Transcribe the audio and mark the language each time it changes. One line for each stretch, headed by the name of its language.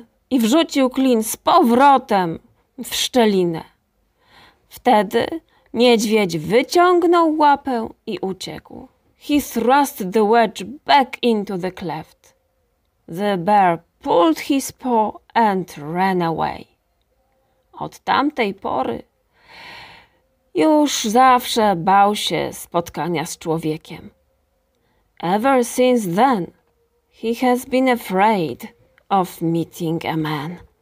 Polish: I wrzucił klin z powrotem w szczelinę. Wtedy niedźwiedź wyciągnął łapę i uciekł.
English: He thrust the wedge back into the cleft. The bear pulled his paw and ran away.
Polish: Od tamtej pory już zawsze bał się spotkania z człowiekiem.
English: Ever since then, he has been afraid of meeting a man.